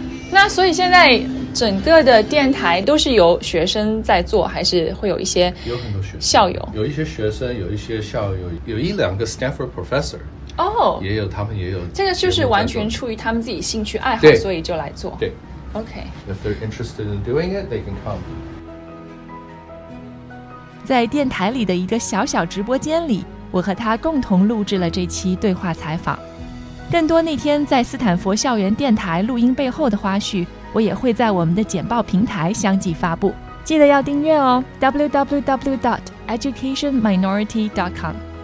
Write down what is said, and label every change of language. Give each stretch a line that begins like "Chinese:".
Chinese: 那所以现在整个的电台都是由学生在做，还是会有一些有很多学生校友，有一些学生，有一些校友，有一两个
English: Stanford professor 哦、oh, ，
Chinese: 也有他们也有这个，就是完全出于他们自己兴趣爱好，所以就来做。对，OK。
English: If they're interested in doing it, they can come.
Chinese: 在电台里的一个小小直播间里，我和他共同录制了这期对话采访。更多那天在斯坦佛校园电台录音背后的花絮，我也会在我们的简报平台相继发布，记得要订阅哦 www.educationminority.com。